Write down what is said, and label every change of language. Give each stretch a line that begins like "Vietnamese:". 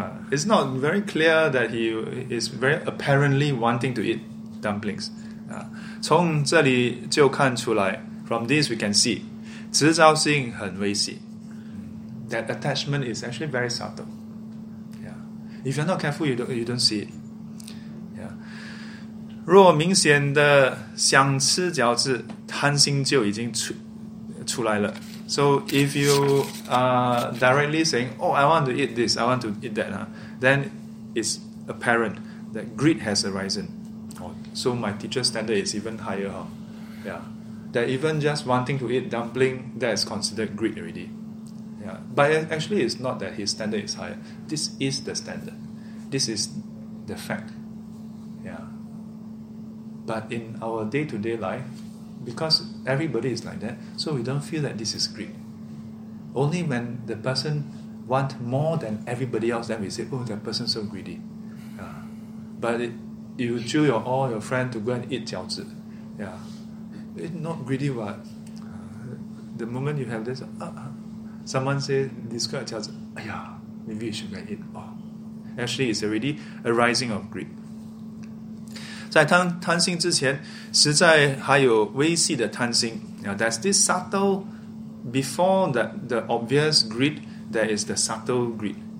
English: It's not very clear that he is very apparently wanting to eat dumplings.
Chinese: 从这里就看出来
English: from this we can see,
Chinese: 执着性很微细
English: that attachment is actually very subtle. If you're not careful, you don't see it. Yeah.
Chinese: 若明显的想吃饺子，贪心就已经出来了。
English: So if you are directly saying, oh, I want to eat this, I want to eat that, then it's apparent that greed has arisen. So my teacher's standard is even higher. Huh? Yeah. That even just wanting to eat dumpling, that is considered greed already. Yeah, but actually, it's not that his standard is higher. This is the standard. This is the fact. Yeah. But in our day-to-day life, because everybody is like that, so we don't feel that this is greed. Only when the person wants more than everybody else, then we say, oh, that person's so greedy. Yeah. But you chew all your friends to go and eat 饺子. Yeah. It's not greedy, but the moment you have this, Someone say, describe 饺子, yeah, maybe you should get it. Oh. Actually, it's already a rising of greed.
Chinese: 在贪心之前,实在还有微细的贪心。
English: Now, there's this subtle, before the obvious greed, there is the subtle greed.